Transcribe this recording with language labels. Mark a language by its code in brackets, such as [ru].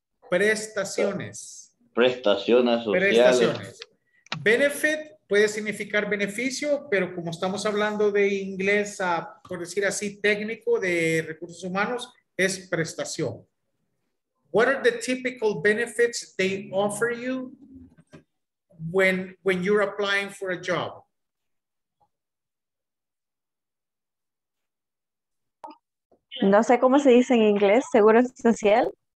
[es] Prestaciones. prestaciones sociales. Prestaciones. Benefit puede significar beneficio, pero como estamos hablando de inglés, por decir así, técnico de recursos humanos, es prestación. [en] What are the typical benefits they offer you when you're applying for a job? [es] No sé cómo se dice en inglés, seguro social.